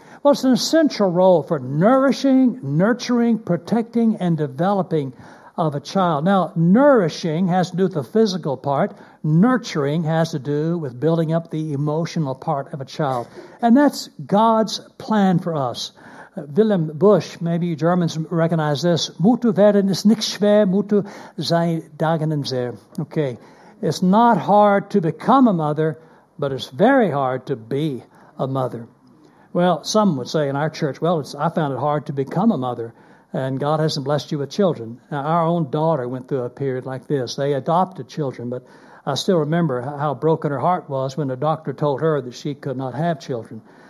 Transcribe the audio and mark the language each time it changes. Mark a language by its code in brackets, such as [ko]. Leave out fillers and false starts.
[en] Well, it's an essential role for nourishing, nurturing, protecting, and developing of a child. Now, nourishing has to do with the physical part. Nurturing has to do with building up the emotional part of a child. And that's God's plan for us. [de] Wilhelm Busch, [en] maybe you Germans recognize this, [de] Mutter werden ist nicht schwer, Mutter sein Dagenen sehr. [en] Okay, it's not hard to become a mother, but it's very hard to be a mother. Well, some would say in our church, well, I found it hard to become a mother, and God hasn't blessed you with children. Now, our own daughter went through a period like this. They adopted children, but I still remember how broken her heart was when the doctor told her that she could not have children.